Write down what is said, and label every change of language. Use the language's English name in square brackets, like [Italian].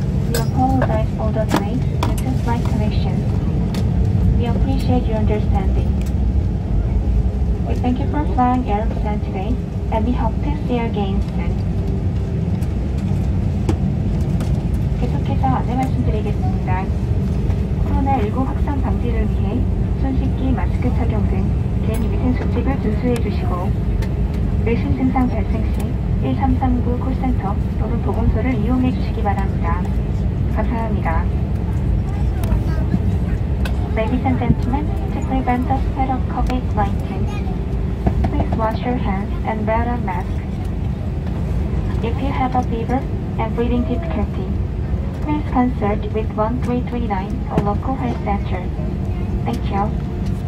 [English] We apologize for the delays due to flight connection. We appreciate your understanding. We thank you for flying Air Busan today, and we hope to see you again soon. [Korean] 계속해서 안내 말씀드리겠습니다. 코로나19 확산 방지를 위해 손 씻기, 마스크 착용 등 개인위생 수칙을 준수해 주시고 외신 증상 발생 시 1339 콜센터 또는 보건소를 이용해 주시기 바랍니다. 감사합니다. [English] Ladies and gentlemen, to prevent the spread of COVID-19, please wash your hands and wear a mask. If you have a fever and breathing difficulty, please consult with 1339 or local health center. Thank you.